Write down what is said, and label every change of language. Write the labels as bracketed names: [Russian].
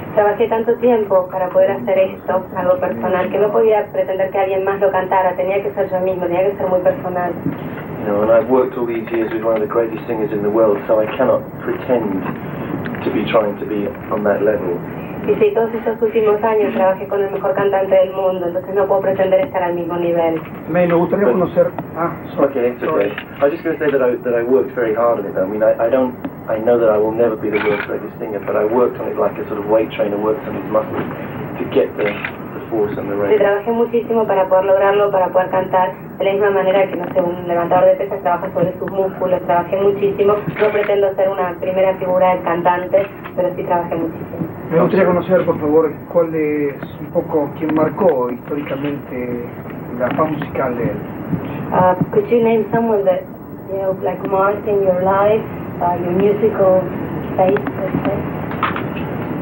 [Spanish] Trabajé tanto tiempo para poder hacer esto, algo personal, que no podía pretender que alguien más lo cantara. Tenía que ser yo mismo. Tenía que ser muy personal. [English] You know, and I've worked all these years with one of the greatest singers in the world, so I cannot pretend to be trying to be on that level. [Spanish] Y si todos esos últimos años trabajé con el mejor cantante del mundo, entonces no puedo pretender estar al mismo nivel. Me gustaría conocer. [English] Okay. I was just going to say that I worked very hard on it. I mean, I know that I will never be the world's greatest singer, but I worked on it like a sort of weight trainer works on his muscles to get there. [Spanish] Sí, trabajé muchísimo para poder lograrlo, para poder cantar de la misma manera que, no sé, un levantador de pesas trabaja sobre sus músculos. Trabajé muchísimo. No pretendo ser una primera figura de cantante, pero sí trabajé muchísimo. Me gustaría conocer, por favor, cuál es un poco quien marcó históricamente la fama musical de él. [English] Could you name someone that, you know, like marked in your life, your musical face, let's say?